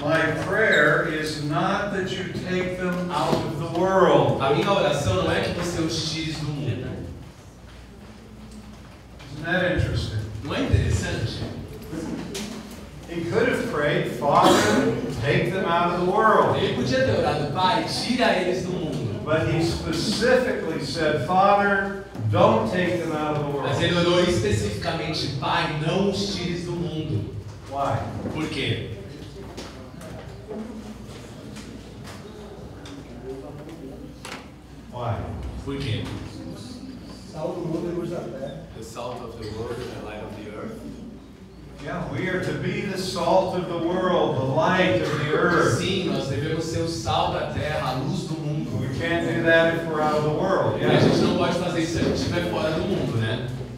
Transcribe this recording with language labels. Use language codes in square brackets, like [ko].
[en] My prayer is not that you take them out of the world. [pt] A minha oração não é que você os tire do mundo. [en] Isn't that interesting? [pt] Não é interessante? [en] He could have prayed, Father, take them out of the world. [pt] Ele podia ter orado, Pai, tira eles do mundo. [en] But he specifically said, Father, don't take them out of the world. [pt] Mas ele orou especificamente, Pai, não os tire do mundo. [en] Why? [pt] Por quê? [en] Why? [pt] Por quê? [en] Salt of the world and the light. The salt of the world and the light of the earth. Yeah, we are to be the salt of the world, the light of the earth. [pt] Sim, nós devemos ser o sal da terra, a luz do mundo. [en] We can't do that if we're out of the world. Yeah. [pt] A gente não pode fazer isso se a gente estiver fora do mundo, né?